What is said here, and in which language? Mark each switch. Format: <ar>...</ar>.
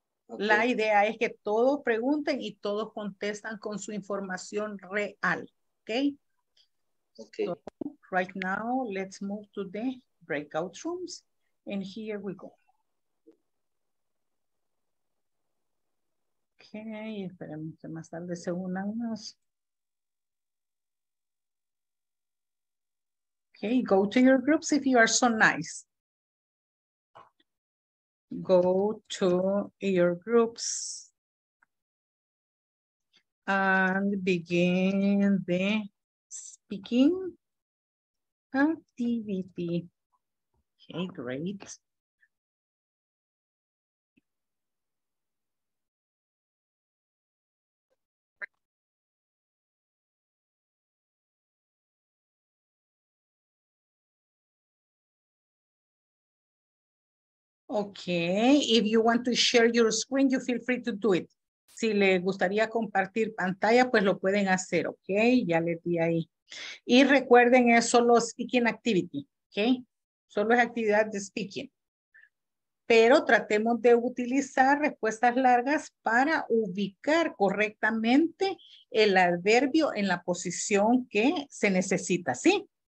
<es>Okay. La idea es que todos pregunten y todos contestan con su información real, ¿okay?</es> <en>Okay. So right now, let's move to the breakout rooms, and here we go.</en> <es>Okay, esperemos que más tarde se unan más.</es> <en>Okay, go to your groups if you are so nice. Go to your groups and begin the speaking activity. Okay, great. Okay, if you want to share your screen, you feel free to do it.</en> <es>Si le gustaría compartir pantalla, pues lo pueden hacer, okay? Ya le di ahí. Y recuerden, es solo speaking activity, okay? Solo es actividad de speaking. pero tratemos de utilizar respuestas largas para ubicar correctamente el adverbio en la posición que se necesita, ¿sí?</es>